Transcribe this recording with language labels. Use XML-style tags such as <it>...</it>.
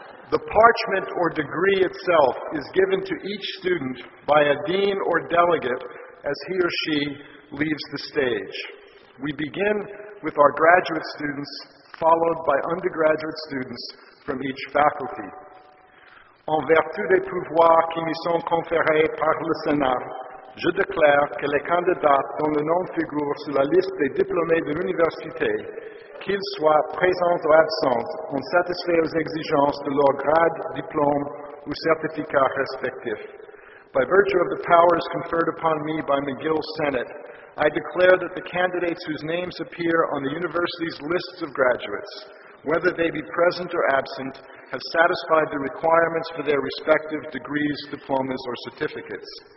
<en>The parchment or degree itself is given to each student by a dean or delegate as he or she leaves the stage. We begin with our graduate students, followed by undergraduate students from each faculty.</en> <fr>En vertu des pouvoirs qui me sont conférés par le Sénat, je déclare que les candidats dont le nom figure sur la liste des diplômés de l'université, qu'ils soient présents ou absents, ont satisfait aux exigences de leur grade, diplôme ou certificat respectif.</fr> <en>By virtue of the powers conferred upon me by McGill Senate, I declare that the candidates whose names appear on the university's lists of graduates, whether they be present or absent, have satisfied the requirements for their respective degrees, diplomas, or certificates.</en>